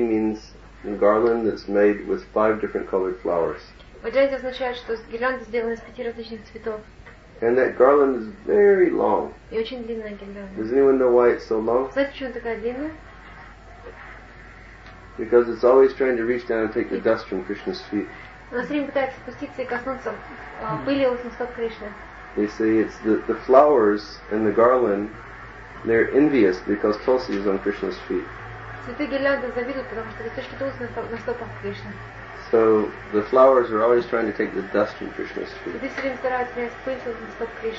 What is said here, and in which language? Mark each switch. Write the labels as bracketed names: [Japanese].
[English] means a garland that's made with five different colored flowers. [Russian] Vajayanti означает, что гирлянда сделана из пяти различных цветов. [English] And that garland is very long. [Russian] И очень длинная гирлянда. [English] Does anyone know why it's so long? [Russian] Знаете, почему она такая длинная? [English] Because it's always trying to reach down and take the dust from Krishna's feet. [Russian] Она все время пытается спуститься и коснуться пыли у ног Кришны. [English] You see, it's the flowers and the garland, they're envious because Tulsi is on Krishna's feet. [Russian] Цветы гирлянды завидуют, потому что цветочки тут на стопах Кришны. [English] So the flowers are always trying to take the dust from Krishna's feet. [Russian] Цветы все время стараются принять пыль со стоп Кришны.